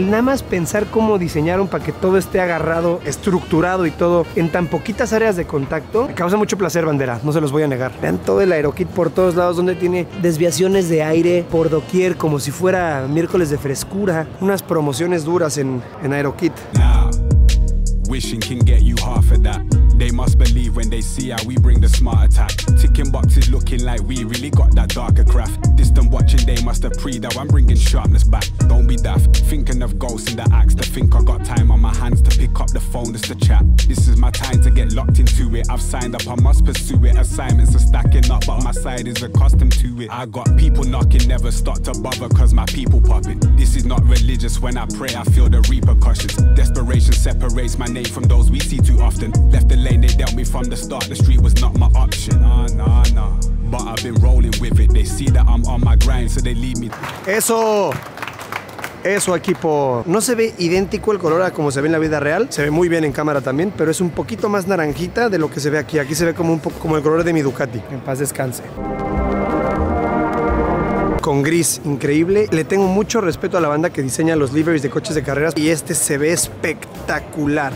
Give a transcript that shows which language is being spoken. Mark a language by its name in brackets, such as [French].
[Spanish] El nada más pensar cómo diseñaron para que todo esté agarrado, estructurado y todo en tan poquitas áreas de contacto, me causa mucho placer, bandera, no se los voy a negar. Vean todo el aerokit por todos lados donde tiene desviaciones de aire por doquier como si fuera miércoles de frescura. Unas promociones duras en Aerokit. [English] Wishing can get you half of that. They must believe when they see how we bring the smart attack. Ticking boxes looking like we really got that darker craft. Distant watching, they must have preed how I'm bringing sharpness back. Don't be daft, thinking of ghosts in the axe. To think I got time on my hands to pick up the phone, just to chat. This is my time to get locked into it. I've signed up, I must pursue it. Assignments are stacking up, but my side is accustomed to it. I got people knocking, never stopped to bother, cause my people popping. This is not religious, when I pray I feel the repercussions. Desperation separates my name from those we see too often. Left the lane, they dealt me from the start. The street was not my option. Nah, nah, nah. But I've been rolling with it. They see that I'm on my grind, so they leave me. [Spanish] Eso. Eso, equipo. No se ve idéntico el color a como se ve en la vida real. Se ve muy bien en cámara también, pero es un poquito más naranjita de lo que se ve aquí. Aquí se ve como un poco como el color de mi Ducati. En paz descanse. Con gris, increíble. Le tengo mucho respeto a la banda que diseña los liveries de coches de carreras y este se ve espectacular.